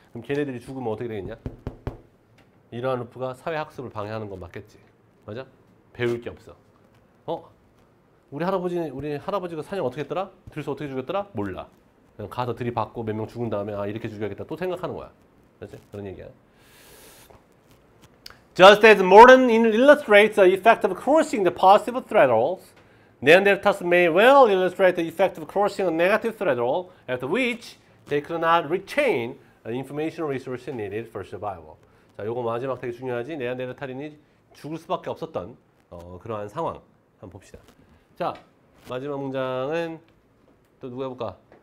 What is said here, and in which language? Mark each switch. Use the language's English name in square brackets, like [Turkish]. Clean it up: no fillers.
[Korean] 그럼 걔네들이 죽으면 어떻게 되겠냐? 이러한 루프가 사회학습을 방해하는 건 맞겠지. 맞아? 배울 게 없어. 어? 우리 할아버지가 사냥 어떻게 했더라? 들수 어떻게 죽였더라? 몰라. 그냥 가서 들이받고 몇 명 죽은 다음에 아 이렇게 죽여야겠다 또 생각하는 거야. 그렇지? 그런 얘기야. [English] Just as modern illustrates the effect of crossing the possible thresholds, Neanderthals may well illustrate the effect of crossing a negative threshold at which they could not retain the information resources needed for survival. [Korean] 자, 요거 마지막 되게 중요하지. 네안데르탈인이 죽을 수밖에 없었던 그러한 상황 한번 봅시다. 자, 마지막 문장은 또 누가 해볼까?